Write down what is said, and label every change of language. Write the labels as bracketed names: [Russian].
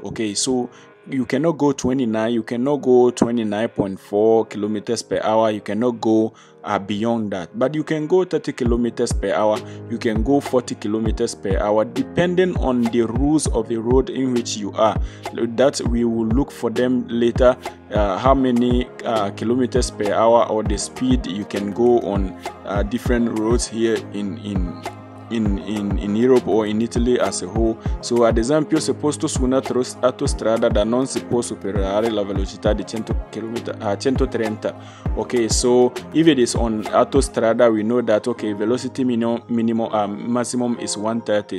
[English] Okay, so you cannot go 29, you cannot go 29.4 kilometers per hour, you cannot go beyond that, but you can go 30 kilometers per hour, you can go 40 kilometers per hour, depending on the rules of the road in which you are. That we will look for them later, how many kilometers per hour or the speed you can go on different roads here in in Europe or in Italy as a whole. [Italian] So ad esempio, se posto su una autostrada da non si può superare la velocità di 130 km. [English] Okay, so if it is on autostrada, we know that okay, velocity maximum is 130.